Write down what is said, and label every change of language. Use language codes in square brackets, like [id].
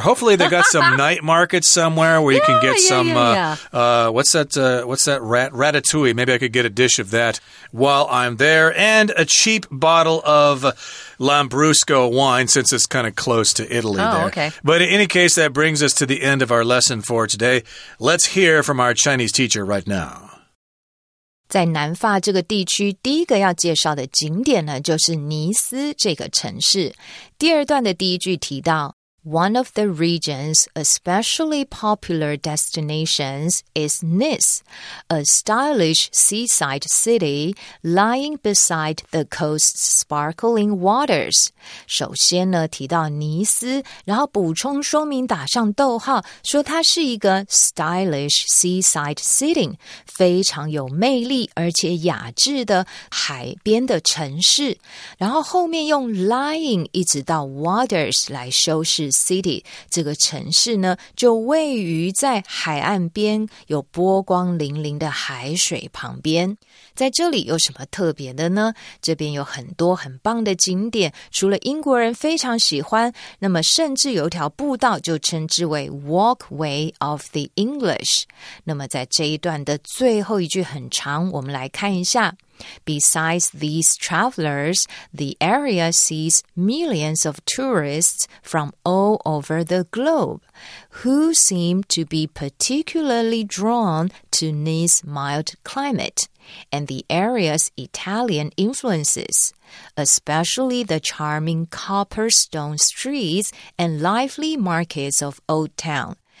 [en] Hopefully they got some night market somewhere where you can get some, ratatouille. Maybe I could get a dish of that while I'm there. And a cheap bottle of Lambrusco wine, since it's kind of close to Italy. But in any case, that brings us to the end of our lesson for today. Let's hear from our Chinese teacher right now. [zh] 在南法这个地区，第一个要介绍的景点呢，就是尼斯这个城市。第二段的第一句提到 [en] One of the region's especially popular destinations is Nice, a stylish seaside city lying beside the coast's sparkling waters. [zh] 首先呢，提到尼斯，然后补充说明打上逗号，说它是一个 [en] stylish seaside city, [zh] 非常有魅力而且雅致的海边的城市。然后后面用 lying 一直到 waters 来修饰City, 这个城市呢就位于在海岸边，有波光粼粼的海水旁边。在这里有什么特别的呢？这边有很多很棒的景点，除了英国人非常喜欢，那么甚至有一条步道就称之为 Walkway of the English。那么在这一段的最后一句很长，我们来看一下。 [en] Besides these travelers, the area sees millions of tourists from all over the globe, who seem to be particularly drawn to Nice's mild climate and the area's Italian influences, especially the charming cobblestone streets and lively markets of Old Town.